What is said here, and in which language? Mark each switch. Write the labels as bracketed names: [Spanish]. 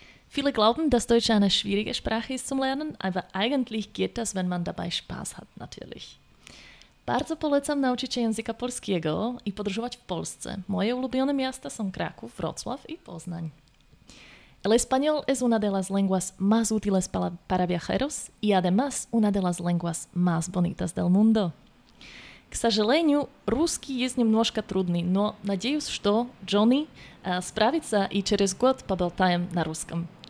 [German] Viele glauben, dass Deutsch eine schwierige Sprache ist zum Lernen, aber eigentlich geht das, wenn man dabei Spaß hat, natürlich. [Polish] Bardzo polecam nauczyć się języka polskiego I podróżować w Polsce. Moje ulubione miasta są Kraków, Wrocław I Poznań. [Spanish] El español es una de las lenguas más útiles para viajeros y además una de las lenguas más bonitas del mundo. [Russian] К сожалению, русский есть немножко трудный, но надеюсь, что Джонни справится и через год поболтаем на русском.